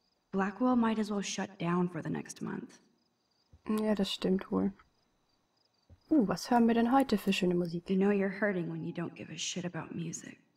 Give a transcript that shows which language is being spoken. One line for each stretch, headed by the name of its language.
English: Blackwell might as well shut down for the next month.
German: Ja, das stimmt wohl. Was hören wir denn heute für schöne Musik?
English: You know you're hurting when you don't give a shit about music.